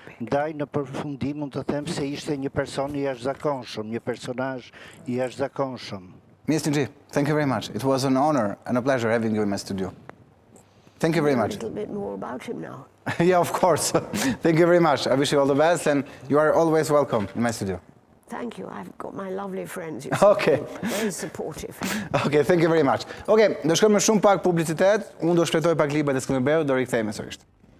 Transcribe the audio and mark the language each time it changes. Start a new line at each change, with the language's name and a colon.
Albanian: Ndaj në përfundim mund të them se ishte një person I jashtëzakonshëm, një personazh I jashtëzakonshëm.
English: Ms. Njohin, thank you very much. It was an honor and a pleasure having you in my studio. Thank you very much. A little bit more about him now. Yeah, of course. Thank you very much. I wish you all the best, and you are always welcome in my studio. Thank you. I've got my lovely friends. Okay. Very supportive. Okay, thank you very much. Okay,
Albanian: do shkojmë shumë pak publicitet. Unë do shpretoj pak libra të Skënderbeut, do rikthejmë sërish.